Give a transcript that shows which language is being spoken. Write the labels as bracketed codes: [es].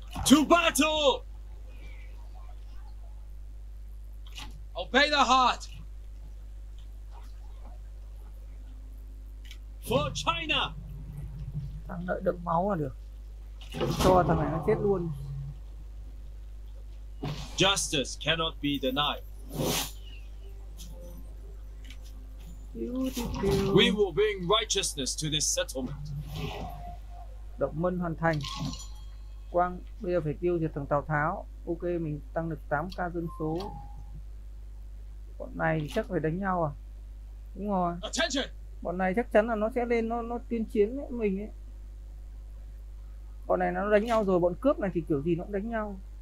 [en] To battle. Obey the heart. For China. [vi] Thằng đợi đựng máu là được. Cho thằng này nó chết luôn. [en] Justice cannot be denied. We will bring righteousness to this settlement. [vi] Động Mân hoàn thành. Quang bây giờ phải tiêu diệt thằng Tào Tháo. Ok, mình tăng được 8k dân số. Bọn này chắc phải đánh nhau à? Đúng rồi. [en] Attention. [vi] Bọn này chắc chắn là nó sẽ lên nó tuyên chiến với mình ấy. Bọn này nó đánh nhau rồi, bọn cướp này thì kiểu gì nó cũng đánh nhau.